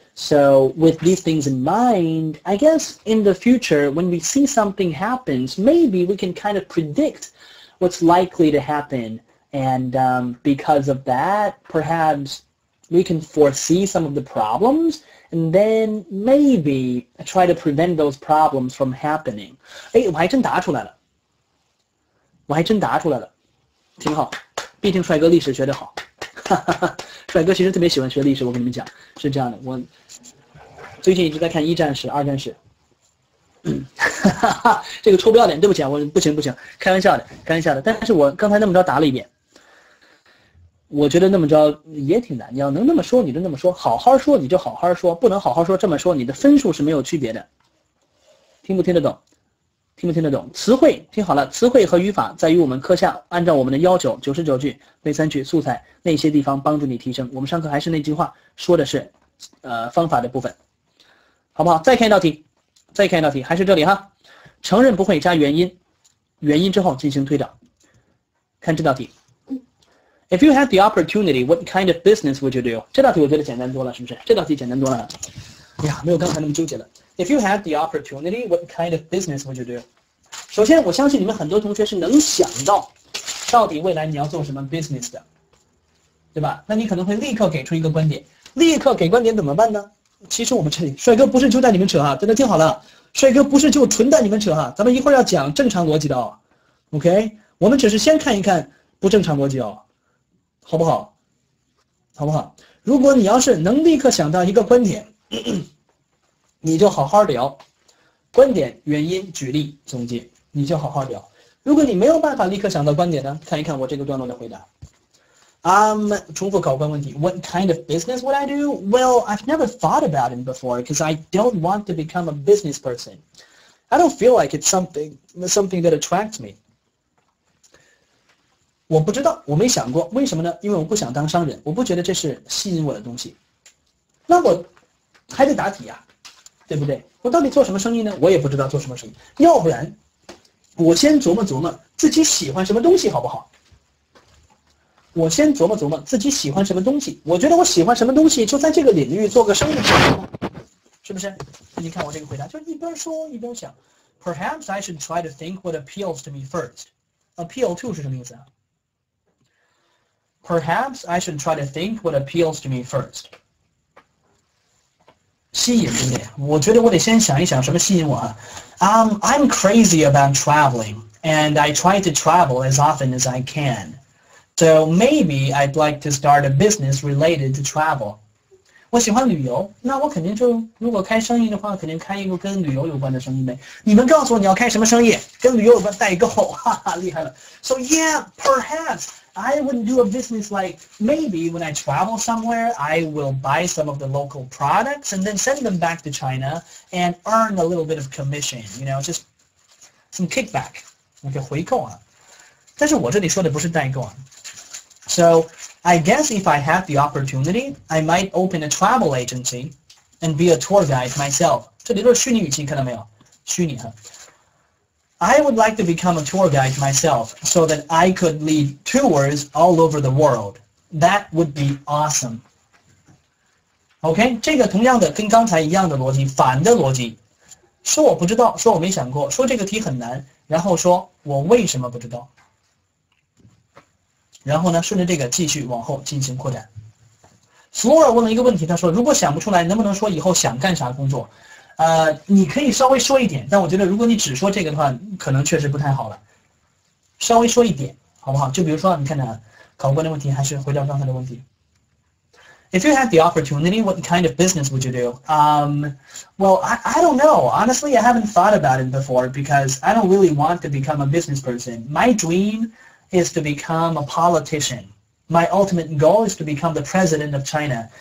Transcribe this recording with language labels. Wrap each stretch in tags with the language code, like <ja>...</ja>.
<en>So with these things in mind, I guess in the future, when we see something happens, maybe we can kind of predict what's likely to happen. And because of that, perhaps we can foresee some of the problems. And then maybe try to prevent those problems from happening.</en> <zh>哎，我还真答出来了。我还真答出来了，挺好，毕竟帅哥历史学得好，哈哈哈，帅哥其实特别喜欢学历史，我跟你们讲，是这样的，我最近一直在看一战史、二战史，哈哈哈，这个臭不要脸，对不起啊，我不行，开玩笑的，但是我刚才那么着答了一遍，我觉得那么着也挺难，你要能那么说，你就那么说，好好说你就好好说，不能好好说这么说，你的分数是没有区别的，听不听得懂？词汇听好了，词汇和语法在于我们课下按照我们的要求，99句背三句素材那些地方帮助你提升。我们上课还是那句话，说的是，方法的部分，好不好？再看一道题，还是这里哈。承认不会加原因之后进行推导。看这道题</zh> <en>，If you had the opportunity, what kind of business would you do？</en> <zh>这道题我觉得简单多了，是不是？这道题简单多了。哎呀，没有刚才那么纠结了。</zh> <en>If you had the opportunity, what kind of business would you do?</en> <zh>首先，我相信你们很多同学是能想到底未来你要做什么 business 的，对吧？那你可能会立刻给出一个观点。立刻给观点怎么办呢？其实我们这里，帅哥不是就带你们扯啊，真的听好了，帅哥不是就纯带你们扯啊，咱们一会儿要讲正常逻辑的哦。 OK， 我们只是先看一看不正常逻辑哦，好不好？好不好？如果你要是能立刻想到一个观点。咳咳你就好好聊，观点、原因、举例、总结，你就好好聊。如果你没有办法立刻想到观点呢，看一看我这个段落的回答。重复考官问题</zh> <en>：What kind of business would I do? Well, I've never thought about it before because I don't want to become a business person. I don't feel like it's something that attracts me.</en> <zh>我不知道，我没想过，为什么呢？因为我不想当商人，我不觉得这是吸引我的东西。那我。还得答题啊，对不对？我到底做什么生意呢？我也不知道做什么生意。要不然我先琢磨琢磨自己喜欢什么东西好不好，我先琢磨琢磨自己喜欢什么东西，我觉得我喜欢什么东西就在这个领域做个生意，是不是？你看我这个回答就一边说一边想，</zh> <en>Perhaps I should try to think what appeals to me first.</en> <zh>Appeal to 是什么意思啊？</zh> <en>Perhaps I should try to think what appeals to me first.</en> <zh>吸引，对不对？我觉得我得先想一想什么吸引我啊。</zh> <en>I'm crazy about traveling, and I try to travel as often as I can. So maybe I'd like to start a business related to travel.</en> <zh>我喜欢旅游，那我肯定就，如果开生意的话，肯定开一个跟旅游有关的生意呗。你们告诉我你要开什么生意，跟旅游有关代购，哈哈，厉害了。</zh> <en>So yeah, perhaps. I wouldn't do a business like, maybe when I travel somewhere, I will buy some of the local products and then send them back to China and earn a little bit of commission, you know, just some kickback, like a 回扣啊。</en> <zh>但是我这里说的不是代购啊。</zh> <en>So, I guess if I have the opportunity, I might open a travel agency and be a tour guide myself.</en> <zh>这里都是虚拟语气，看到没有？虚拟啊。</zh> <en>I would like to become a tour guide myself so that I could lead tours all over the world. That would be awesome.</en> <zh>OK, 这个同样的跟刚才一样的逻辑，反的逻辑，说我不知道，说我没想过，说这个题很难，然后说我为什么不知道，然后呢顺着这个继续往后进行扩展。 Flora 问了一个问题，她说如果想不出来能不能说以后想干啥工作，你可以稍微说一点，但我觉得如果你只说这个的话可能确实不太好了，稍微说一点好不好？就比如说你看呢，考官的问题还是回到刚才的问题。</zh> <en>If you had the opportunity, what kind of business would you do? Well, I don't know. Honestly, I haven't thought about it before because I don't really want to become a business person. My dream is to become a politician. My ultimate goal is to become the president of China.</en>